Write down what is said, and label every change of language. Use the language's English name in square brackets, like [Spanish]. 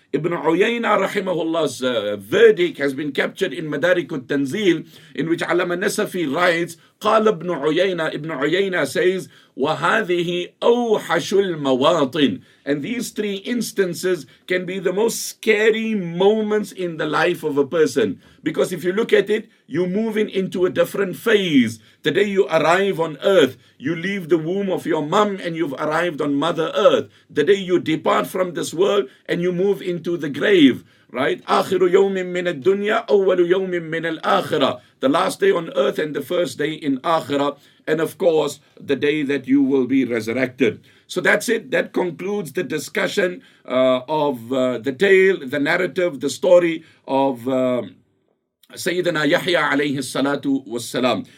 [English] Ibn Uyayna rahimahullah's verdict has been captured in Madarik al-Tanzil, in which Allama Nasafi writes, [Arabic] قَالَ ابْنُ عُيَيْنَا, [English] Ibn Uyayna says, [Arabic] وَهَذِهِ أَوْحَشُ الْمَوَاطِنِ, [English] and these three instances can be the most scary moments in the life of a person. Because if you look at it, you're moving into a different phase. The day you arrive on earth, you leave the womb of your mom and you've arrived on Mother Earth. The day you depart from this world and you move into the grave, right? [Arabic] آخر يوم من الدنيا أول يوم من الآخرة. [English] The last day on earth and the first day in Akhira. And of course, the day that you will be resurrected. So that's it. That concludes the discussion of the tale, the narrative, the story of Sayyidina Yahya alayhi salatu wassalam.